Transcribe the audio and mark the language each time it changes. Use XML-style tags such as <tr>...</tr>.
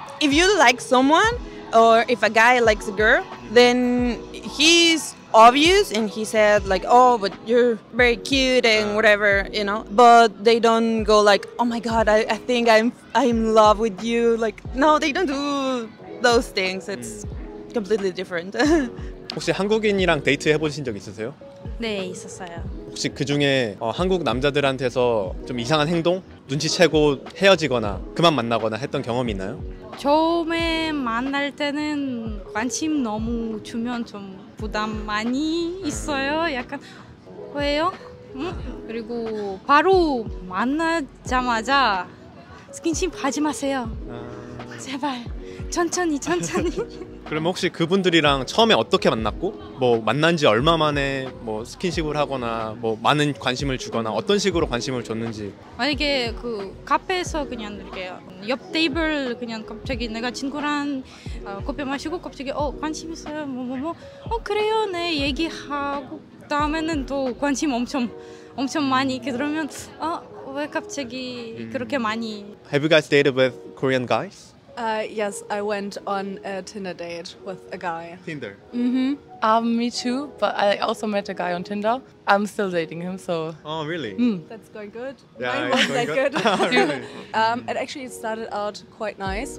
<en>If you like someone or if a guy likes a girl, then he's obvious and he said like oh but you're very cute and whatever you know but they don't go like oh my god I think I'm in love with you like no they don't do those things it's completely different</en> <ko>혹시 한국인이랑 데이트 해보신 적 있으세요? 네 있었어요 혹시 그 중에 한국 남자들한테서 좀 이상한 행동? 눈치채고 헤어지거나 그만 만나거나 했던 경험이 있나요? 처음에 만날 때는 관심 너무 주면 좀 부담 많이 있어요. 약간 왜요? 응? 그리고 바로 만나자마자 스킨십 하지 마세요. 제발 천천히 그럼 혹시 그분들이랑 처음에 어떻게 만났고 뭐 만난 지 얼마 만에 뭐 스킨십을 하거나 뭐 많은 관심을 주거나 어떤 식으로 관심을 줬는지 만약에 그 카페에서 그냥 이렇게 옆 테이블 그냥 갑자기 내가 친구랑 커피 마시고 갑자기 관심 있어요 그래요 네 얘기하고 다음에는 또 관심 엄청 많이 그러면 왜 갑자기 그렇게 많이</ko> <en>Have you guys dated with Korean guys? Yes, I went on a Tinder date with a guy. Tinder? Mm-hmm. Me too, but I also met a guy on Tinder. I'm still dating him, so... Oh, really? Mm. That's going good. Yeah, it's going that good. It actually started out quite nice.</en>